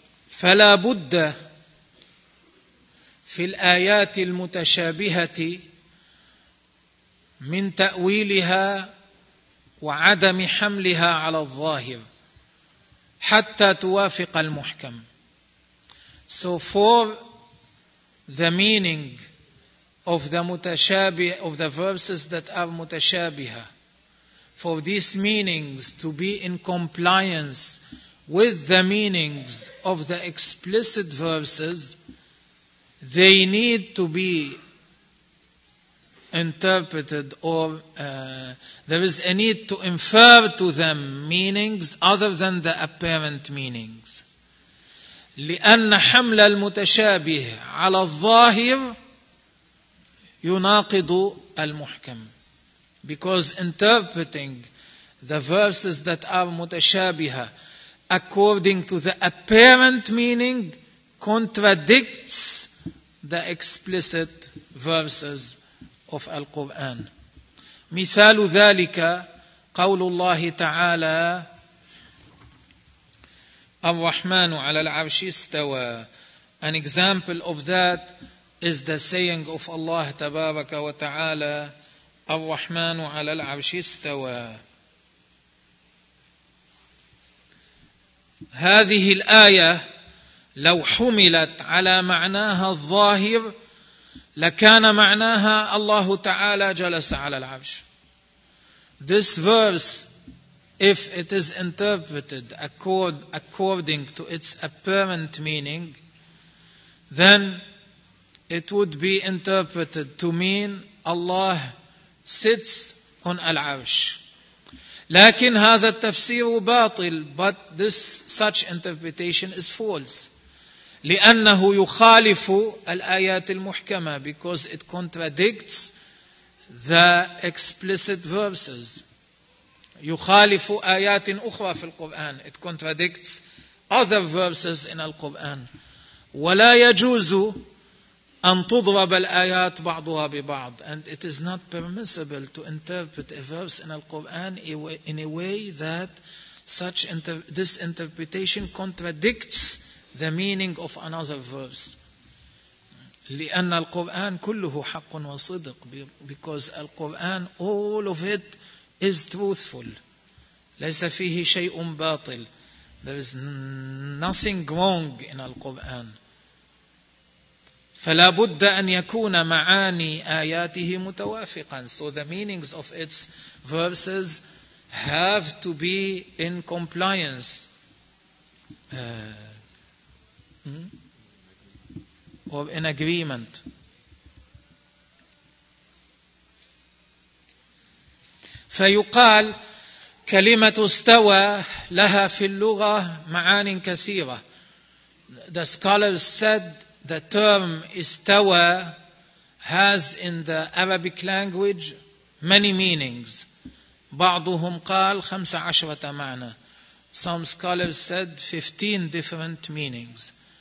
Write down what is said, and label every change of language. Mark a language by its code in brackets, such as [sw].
[ar] فلا بد في الآيات المتشابهة من تأويلها وعدم حملها على الظاهر حتى توافق المحكم. [en] So for the meaning of the متشابه, of the verses that are متشابهة, for these meanings to be in compliance with the meanings of the explicit verses, they need to be interpreted, or there is a need to infer to them meanings other than the apparent meanings. [ar] لأن حمل المتشابه على الظاهر يناقض المحكم. [en] Because interpreting the verses that are متشابهة according to the apparent meaning contradicts the explicit verses of Al-Quran. [ar] مثال ذلك قول الله تعالى الرحمن على العرش استوى. [en] An example of that is the saying of Allah [ar] تبارك وتعالى الرحمن على العرش استوى. هذه الآية لو حملت على معناها الظاهر لكان معناها الله تعالى جلس على العرش. [en] This verse, if it is interpreted according to its apparent meaning, then it would be interpreted to mean Allah sits on العرش. [ar] لكن هذا التفسير باطل. [en] But this such interpretation is false. [ar] لأنه يخالف الآيات المحكمة. [en] Because it contradicts the explicit verses. [ar] يخالف آيات أخرى في القرآن. [en] It contradicts other verses in القرآن. [ar] ولا يجوز أن تضرب الآيات بعضها ببعض. [en] And it is not permissible to interpret a verse in القرآن in a way that this interpretation contradicts the meaning of another verse. [ar] لأن القرآن كله حق وصدق. [en] Because القرآن all of it is truthful. [ar] ليس فيه شيء باطل. [en] There is nothing wrong in القرآن. [ar] فلا بد أن يكون معاني آياته متوافقا. [en] So the meanings of its verses have to be in compliance. Or in agreement. [ar] فيقال كلمة استوى لها في اللغة معاني كثيرة. [en] The scholars said the term استوى has in the Arabic language many meanings. [ar] بعضهم قال 15 معنى. [en] Some scholars said 15 different meanings.